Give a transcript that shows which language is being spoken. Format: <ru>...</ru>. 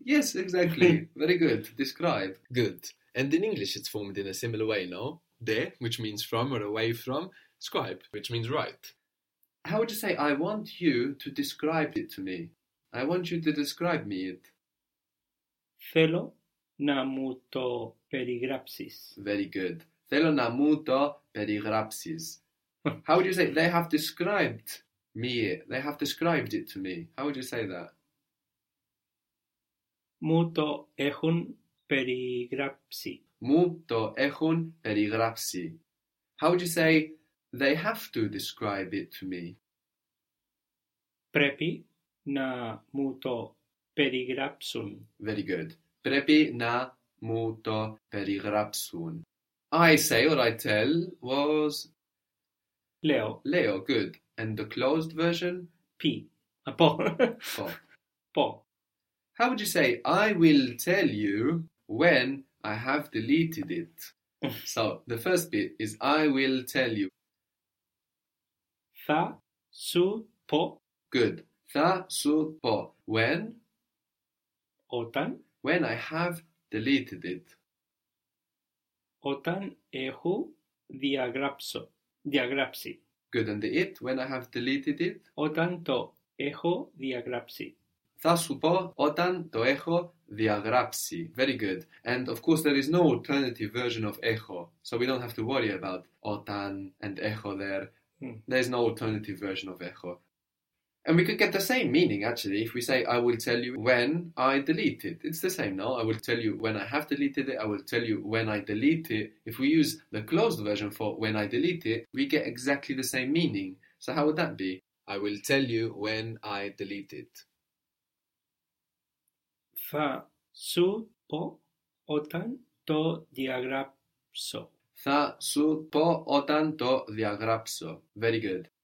<en>Yes, exactly. Very good. Describe. Good. And in English, it's formed in a similar way, no? De, which means from or away from. Scribe, which means write. How would you say, I want you to describe it to me? I want you to describe me it.</en> <el>Θέλω να μου το περιγράψεις.</el> <en>Very good.</en> <el>Θέλω να μου το περιγράψεις.</el> <en>How would you say, they have described me it? They have described it to me. How would you say that?</en> <el>Μου το έχουν περιγράψει. Μου το έχουν περιγράψει.</el> <en>How would you say they have to describe it to me?</en> <el>Πρέπει να μου το περιγράψουν.</el> <en>Very good.</en> <el>Πρέπει να μου το περιγράψουν.</el> <en>I say or I tell was</en> <el>Λέω. Λέω,</el> <en>good. And the closed version?</en> <el>Πι. Πω. Πω. Πω.</el> <en>How would you say I will tell you when I have deleted it? So the first bit is I will tell you.</en> <el>Θα σου πω.</el> <en>Good.</en> <el>Θα σου πω.</el> <en>When?</en> <el>Όταν.</el> <en>When I have deleted it.</en> <el>Όταν έχω διαγράψει.</el> <en>Good, and the it, when I have deleted it?</en> <el>Όταν το έχω διαγράψει. Θα σου πω όταν το έχω διαγράψει.</el> <en>Very good. And of course there is no alternative version of echo. So we don't have to worry about όταν and echo there. There's no alternative version of echo. And we could get the same meaning actually if we say I will tell you when I delete it. It's the same, no? I will tell you when I have deleted it, I will tell you when I delete it. If we use the closed version for when I delete it, we get exactly the same meaning. So how would that be? I will tell you when I delete it.</en> <el>Θα σου πω όταν το διαγράψω. Θα σου πω όταν το διαγράψω.</el> <en>Very good.</en>